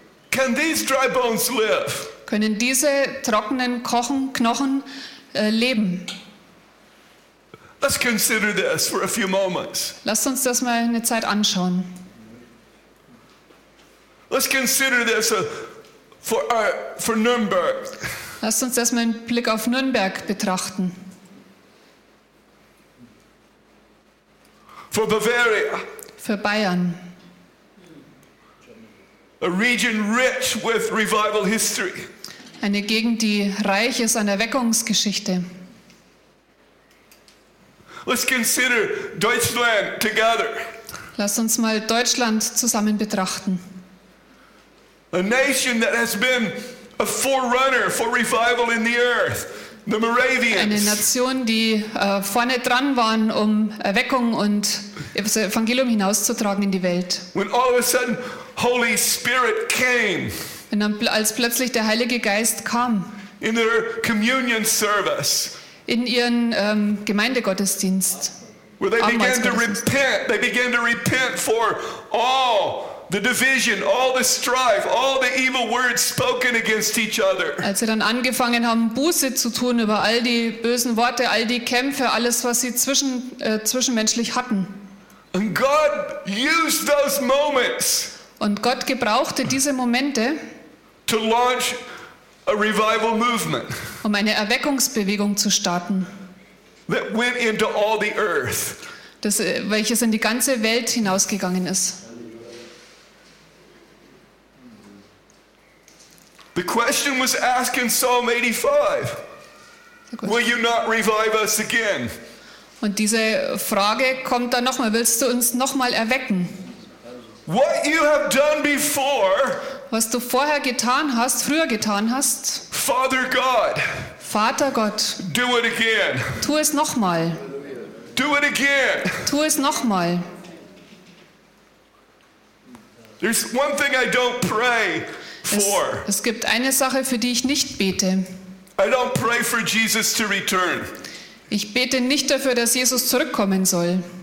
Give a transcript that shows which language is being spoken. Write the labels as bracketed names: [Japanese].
[English] Can these dry bones live? [German] Können diese trockenen Knochen leben? [English] Let's consider this for a few moments. [German] Lasst uns das mal eine Zeit anschauen. [English] Let's consider this for Nürnberg. [German] Lasst uns erstmal einen Blick auf Nürnberg betrachten. [English] For Bavaria. [German] Für Bayern. [English] A region rich with revival history. [German] Eine Gegend, die reich ist an Erweckungsgeschichte. [English] Let's consider Deutschland together. [German] Lass uns mal Deutschland zusammen betrachten. [English] A nation that has been a forerunner for revival in the earth. The Moravians. [German] Eine Nation, die vorne dran waren, um Erweckung und das Evangelium hinauszutragen in die Welt. [English] When all of a sudden Holy Spirit came. [German] Und dann, als plötzlich der Heilige Geist kam. [English] In their communion service. [German] In ihren Gemeindegottesdienst. [English] Where they began to repent. They began to repent for all the division, all the strife, all the evil words spoken against each other. [German] Als sie dann angefangen haben, Buße zu tun über all die bösen Worte, all die Kämpfe, alles, was sie zwischenmenschlich hatten. [English] And God used those moments. [German] Und Gott gebrauchte diese Momente, [English] to launch a revival movement, [German] um eine Erweckungsbewegung zu starten, [English] that went into all the earth. [German] Welches in die ganze Welt hinausgegangen ist. [English] The question was asked in Psalm 85. Will you not revive us again? [German] Und diese Frage kommt dann nochmal. Willst du uns nochmal erwecken? [English] What you have done before, [German] was du vorher getan hast, früher getan hast, [English] Father God, [German] Vater Gott, [English] do it again. [German] Tu es nochmal. [English] Do it again. [German] Tu es nochmal. [English] There's one thing I don't pray. [German] Es gibt eine Sache, für die ich nicht bete. [English] I don't pray for Jesus to return. [German] Ich bete nicht dafür, dass Jesus zurückkommen soll.